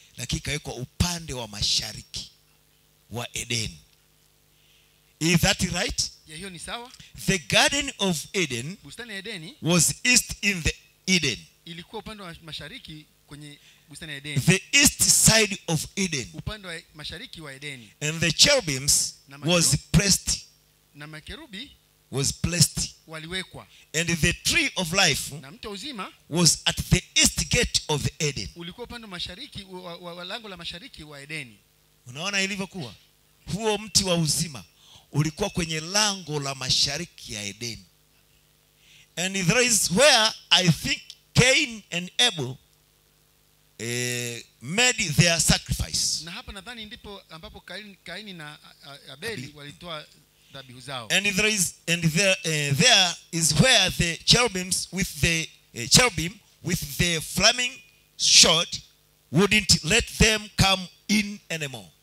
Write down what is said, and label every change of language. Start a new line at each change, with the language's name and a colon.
Swahili: Lakini ikawekwa upande wa mashariki wa Eden.
English: Is that right?
Swahili: Yeah, hiyo ni sawa.
English: The garden of Eden,
Swahili: bustani ya Edeni,
English: was east in the Eden.
Swahili: Ilikuwa upande wa mashariki kwenye bustani ya Eden.
English: The east side of Eden.
Swahili: Upande wa mashariki wa Eden.
English: And the cherubims was placed.
Swahili: Na makerubi
English: was placed.
Swahili: Waliwekwa.
English: And the tree of life
Swahili: na mti uzima
English: was at the east gate of the Eden.
Swahili: Ulikuwa upande mashariki wa lango la mashariki wa Eden. Unaona ilivyokuwa? Huo mti wa uzima ulikuwa kwenye lango la mashariki ya Eden.
English: And there is where I think Cain and Abel made their sacrifice.
Swahili: Na hapa nadhani ndipo ambapo Cain na Abel walitoa dhabihu zao.
English: And there is there is where the cherubims with the cherubim with the flaming sword wouldn't let them come in anymore.